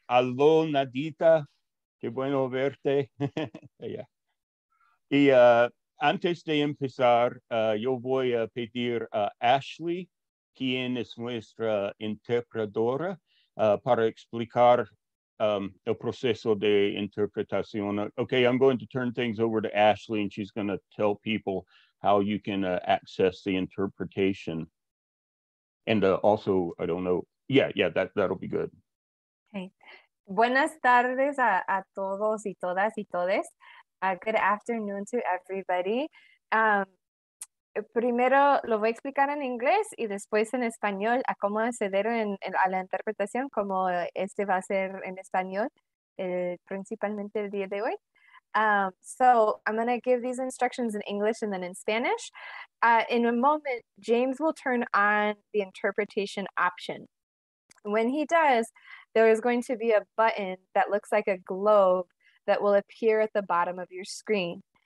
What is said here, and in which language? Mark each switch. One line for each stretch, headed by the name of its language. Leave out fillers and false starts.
Spanish: Aló, Nadita, qué bueno verte. Yeah. Y antes de empezar, yo voy a pedir a Ashley, quien es nuestra interpretadora, para explicar el proceso de interpretación.
English: Okay, I'm going to turn things over to Ashley, and she's going to tell people how you can access the interpretation. And also, I don't know. Yeah, that'll be good. Okay.
Spanish: Buenas tardes a todos y todas y todes.
English: Good afternoon to everybody.
Spanish: Primero lo voy a explicar en inglés y después en español a cómo acceder a la interpretación, como este va a ser en español, principalmente el día de hoy.
English: So I'm going to give these instructions in English and then in Spanish. In a moment, James will turn on the interpretation option. When he does, there is going to be a button that looks like a globe that will appear at the bottom of your screen.